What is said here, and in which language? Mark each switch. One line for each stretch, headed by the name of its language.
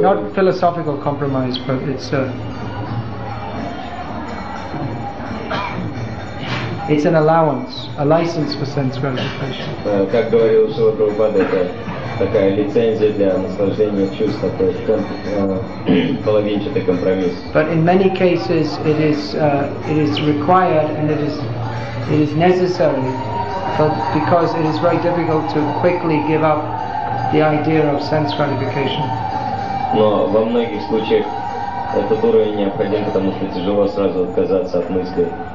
English: Not philosophical compromise, but it's a... It's an allowance, a license for sense gratification.
Russian: Как говорил Шрила Прабхупада, это такая лицензия для наслаждения чувств, это половинчатый компромисс.
English: But in many cases it is required and it is necessary, but because it is very difficult to quickly give up the idea of sense gratification.
Russian: Но во многих случаях этот уровень необходим, потому что тяжело сразу отказаться от мысли.